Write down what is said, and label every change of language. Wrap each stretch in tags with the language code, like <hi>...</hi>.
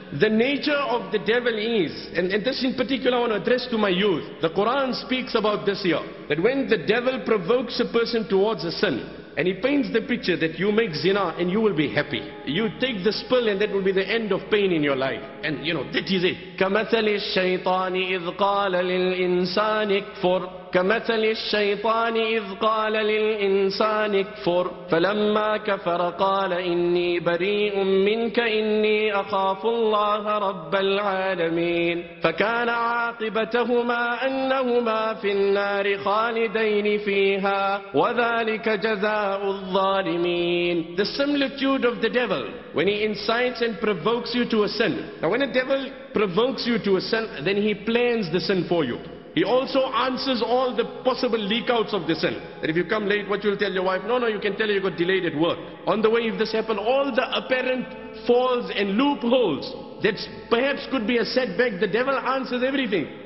<en>The nature of the devil is, and this in particular I want to address to my youth. The Quran speaks about this here. That when the devil provokes a person towards a sin, and he paints the picture that you make zina and you will be happy. You take this pill and that will be the end of pain in your life. And you know, that is it.</en> <ar>كمثل الشيطان إذ قال للإنسان اكفر كمثل الشيطان إذ قال للإنسان اكفر فلما كفر قال إني بريء منك إني أخاف الله رب العالمين فكان عاقبتهما أنهما في النار خالدين فيها وذلك جزاء الظالمين.</ar> <en>The similitude of the devil when he incites and provokes you to a sin. Now when a devil provokes you to a sin, then he plans the sin for you. He also answers all the possible leakouts of the sin. That if you come late, what you'll tell your wife? No, you can tell her you got delayed at work. On the way, if this happened, all the apparent falls and loopholes that perhaps could be a setback, the devil answers everything.</en>